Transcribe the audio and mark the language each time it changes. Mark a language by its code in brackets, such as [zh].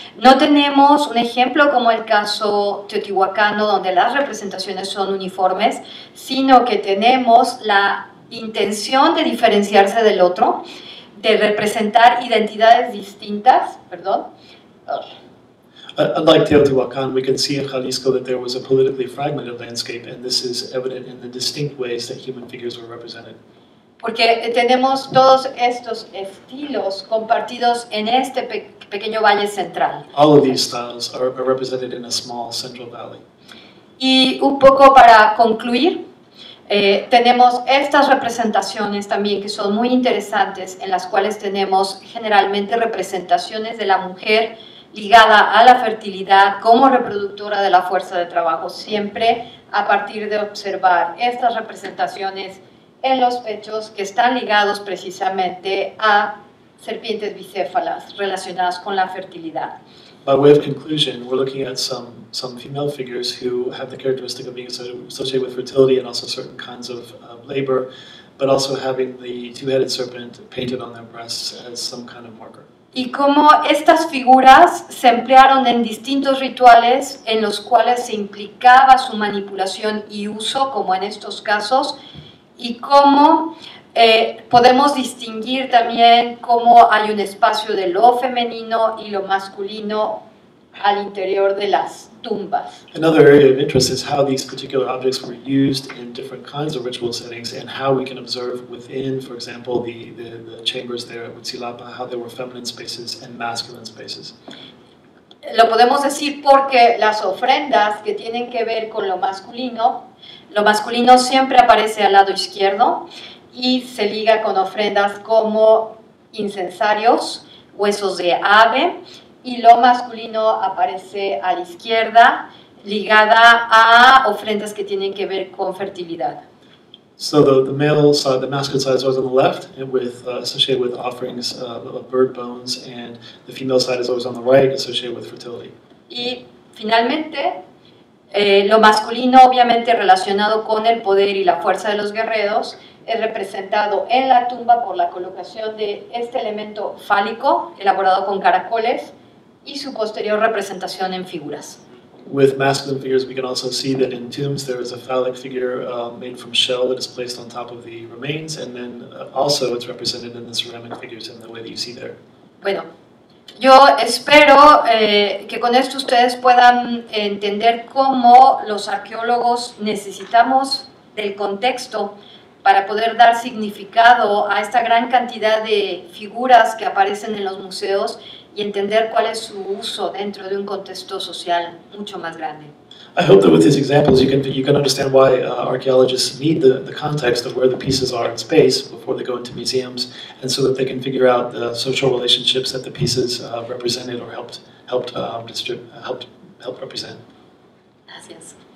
[es] No tenemos un ejemplo como el caso teotihuacano, donde las representaciones son uniformes, sino que tenemos la intención de diferenciarse del otro, de representar identidades distintas, perdón. [en] Unlike Teotihuacan, we can see in Jalisco that there was a politically fragmented landscape, and this is evident in the distinct ways that human figures were represented. [es] Porque tenemos todos estos estilos compartidos en este pequeño valle central. [en] All of these styles are represented in a small central valley. [es] Y un poco para concluir, tenemos estas representaciones también que son muy interesantes, en las cuales tenemos generalmente representaciones de la mujer ligada a la fertilidad como reproductora de la fuerza de trabajo, siempre a partir de observar estas representaciones en los pechos que están ligados precisamente a serpientes bicéfalas relacionadas con la fertilidad. [en] By way of conclusion, we're looking at some female figures who have the characteristic of being associated with fertility and also certain kinds of labor, but also having the two-headed serpent painted on their breasts as some kind of marker. [es] Y cómo estas figuras se emplearon en distintos rituales en los cuales se implicaba su manipulación y uso, como en estos casos, y cómo podemos distinguir también cómo hay un espacio de lo femenino y lo masculino al interior de las tumbas. [en] Another area of interest is how these particular objects were used in different kinds of ritual settings and how we can observe within, for example, the chambers there at Huitzilapa, how there were feminine spaces and masculine spaces. [es] lo podemos decir porque las ofrendas que tienen que ver con lo masculino siempre aparece al lado izquierdo y se liga con ofrendas como incensarios, huesos de ave, y lo masculino aparece a la izquierda, ligada a ofrendas que tienen que ver con fertilidad. [en] So the male side, the masculine side, is on the left, and with associated with offerings of bird bones, and the female side is always on the right, associated with fertility. [es] Y finalmente, lo masculino, obviamente relacionado con el poder y la fuerza de los guerreros, es representado en la tumba por la colocación de este elemento fálico elaborado con caracoles y su posterior representación en figuras. [en] With masculine figures, we can also see that in tombs there is a phallic figure made from shell that is placed on top of the remains, and then also it's represented in the ceramic figures in the way that you see there. [es] Bueno, yo espero que con esto ustedes puedan entender cómo los arqueólogos necesitamos del contexto para poder dar significado a esta gran cantidad de figuras que aparecen en los museos y entender cuál es su uso dentro de un contexto social mucho más grande. [en] I hope that with these examples you can understand why archaeologists need the context of where the pieces are in space before they go into museums, and so that they can figure out the social relationships that the pieces represented or helped represent. [es] Gracias.